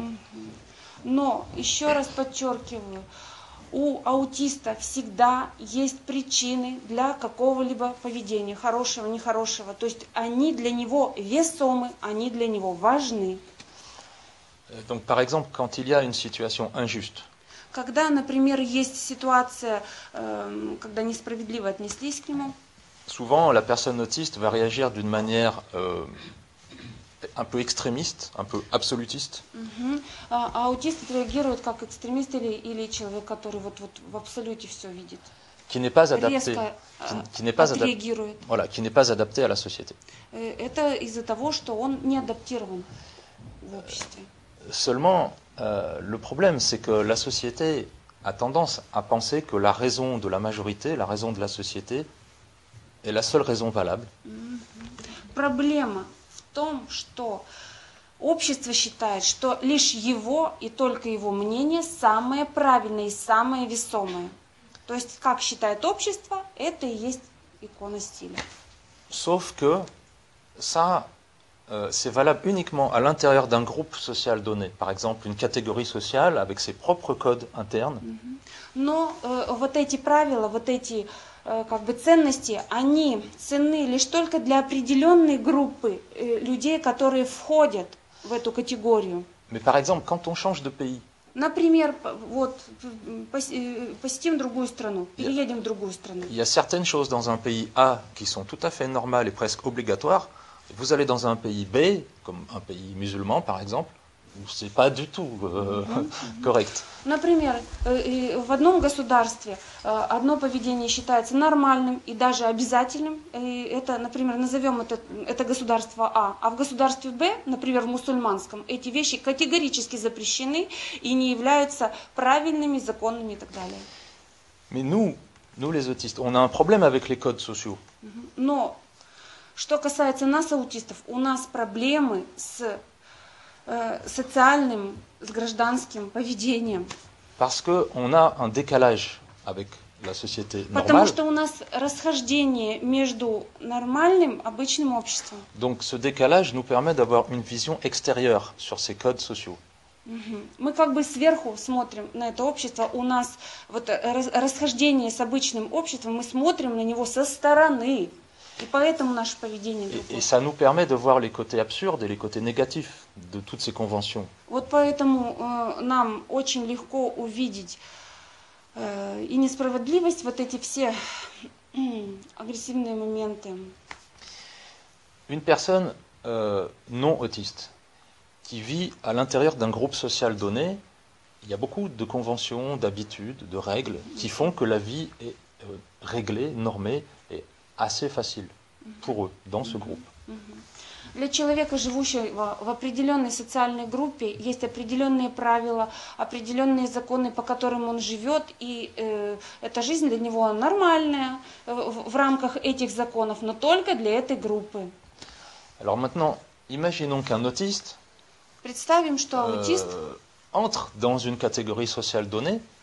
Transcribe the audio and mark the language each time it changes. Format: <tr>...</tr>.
<ru>Mm-hmm. Но еще раз подчеркиваю, у аутиста всегда есть причины для какого-либо поведения, хорошего, нехорошего. То есть они для него весомы, они для него важны.</ru> <fr>Donc, par exemple, quand il y a une situation injuste.</fr> <ru>Когда, например, есть ситуация, когда несправедливо отнеслись к нему.</ru> <fr>Souvent, la personne autiste va réagir d'une manière un peu extrémiste, un peu absolutiste. Mm-hmm.</fr> <ru>Аутист реагирует как экстремист или человек, который вот в абсолюте все видит.</ru> <fr>Qui n'est pas адапté, qui n'est pas адапté. Voilà, qui n'est pas adapté à la société.</fr> <ru>Это из-за того, что он не адаптирован в обществе.</ru> <fr>Seulement, le problème, c'est que la société a tendance à penser que la raison de la majorité, la raison de la société, est la seule raison valable. Mm-hmm.</fr> <ru>Проблема в том, что общество считает, что лишь его и только его мнение самое правильное и самое весомое. То есть, как считает общество, это и есть икона стиля.</ru> <fr>Sauf que ça c'est valable uniquement à l'intérieur d'un groupe social donné, par exemple une catégorie sociale avec ses propres codes internes.</fr> <ru>Но вот эти правила, вот эти как бы ценности, они ценны лишь только для определенной группы людей, которые входят в эту категорию.</ru> <fr>Mais par exemple, quand on change de pays.</fr> <ru>Например, вот посетим другую страну, переедем в другую страну.</ru> <fr>Il y a certaines choses dans un pays A qui sont tout à fait normales et presque obligatoires. Vous allez dans un pays B, comme un pays musulman, par exemple. C'est pas du tout correct.</fr> <ru>Например, в одном государстве одно поведение считается нормальным и даже обязательным. И это, например, назовем это государство А. А в государстве Б, например, в мусульманском, эти вещи категорически запрещены и не являются правильными, законными и так далее.</ru> <fr>Mais nous les autistes, on a un problème avec les codes sociaux.</fr> <ru>Но что касается нас, аутистов, у нас проблемы с социальным, с гражданским поведением.</ru> <fr>Parce que on a un décalage avec la société normale.</fr> <ru>Потому что у нас расхождение между нормальным, обычным обществом.</ru> <fr>Donc ce décalage nous permet d'avoir une vision extérieure sur ces codes sociaux.</fr> <ru>Мы как бы сверху смотрим на это общество, у нас вот расхождение с обычным обществом, мы смотрим на него со стороны. И поэтому наше поведение другое.</ru> <fr>Et ça nous permet de voir les côtés absurdes et les côtés négatifs de toutes ces conventions.</fr> <ru>Вот поэтому нам очень легко увидеть и несправедливость, вот эти все агрессивные моменты.</ru> <fr>Une personne non autiste qui vit à l'intérieur d'un groupe social donné, il y a beaucoup de conventions, d'habitudes, de règles qui font que la vie est réglée, normée et assez facile pour eux dans ce groupe.</fr> <ru>Для человека, живущего в определенной социальной группе, есть определенные правила, определенные законы, по которым он живет, и эта жизнь для него нормальная в рамках этих законов, но только для этой группы.</ru> <fr>Alors maintenant, imaginons qu'un autiste.</fr> <ru>Представим, что аутист</ru> <fr>entre dans une catégorie sociale donnée.</fr>